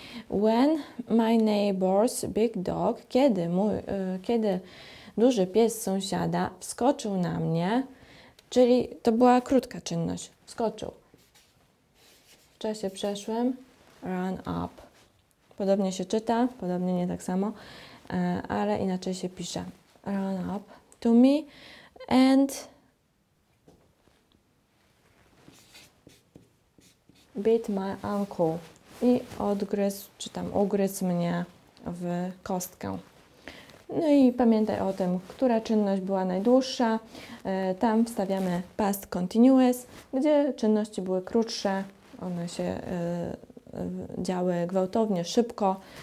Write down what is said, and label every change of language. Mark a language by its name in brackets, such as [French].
[English] When my neighbor's big dog, [Polish] kiedy duży pies sąsiada wskoczył na mnie, czyli to była krótka czynność. Wskoczył. W czasie przeszłym [English] run up. [Polish] Podobnie się czyta, podobnie nie tak samo, ale inaczej się pisze. [English] Run up to me and bit my uncle. [Polish] I odgryzł, czy tam ugryzł mnie w kostkę. No i pamiętaj o tym, która czynność była najdłuższa. Tam wstawiamy past continuous, gdzie czynności były krótsze, one się działy gwałtownie, szybko.